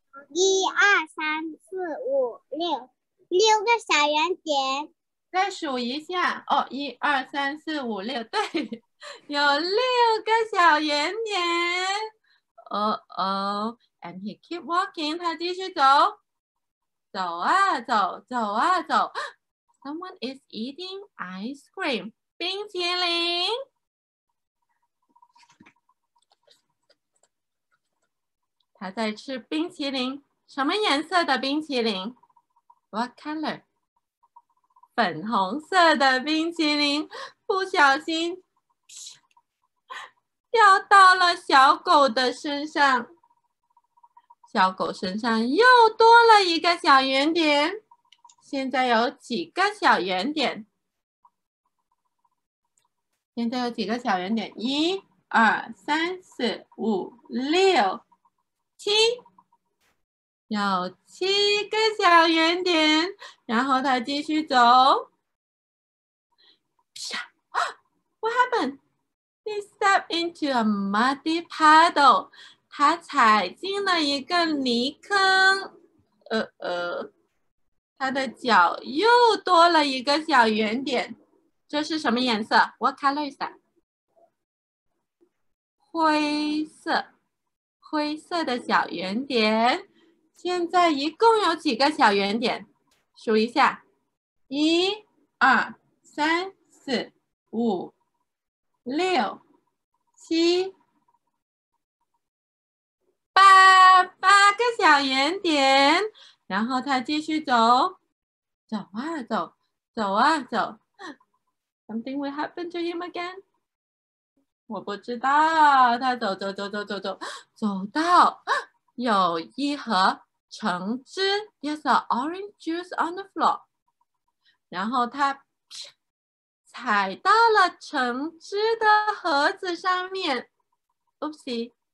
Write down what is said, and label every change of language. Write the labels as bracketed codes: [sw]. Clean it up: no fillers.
[zh] 一二三四五六，六个小圆点。再数一下哦，一二三四五六，对，有六个小圆点。哦哦 ， [en] and he keep walking， [zh] 他继续走，走啊走，走啊走。 [en] Someone is eating ice cream， 冰淇淋。 [zh] 他在吃冰淇淋，什么颜色的冰淇淋 ？ [en] What color？ [zh] 粉红色的冰淇淋，不小心掉到了小狗的身上，小狗身上又多了一个小圆点。现在有几个小圆点？现在有几个小圆点？一、二、三、四、五、六。七，有七个小圆点，然后他继续走。 [en] What happened? He stepped into a muddy puddle. [zh] 他踩进了一个泥坑。他的脚又多了一个小圆点。这是什么颜色？ [en] What color is that? [zh] 灰色。灰色的小圆点，现在一共有几个小圆点？数一下，一、二、三、四、五、六、七、八，八个小圆点。然后他继续走，走啊走，走啊走。 [en] Something will happen to him again. [zh] 我不知道，他走走走走走走，走到有一盒橙汁 ， [en] There's an orange juice on the floor。 [zh] 然后他踩到了橙汁的盒子上面 ， [en] Oopsie！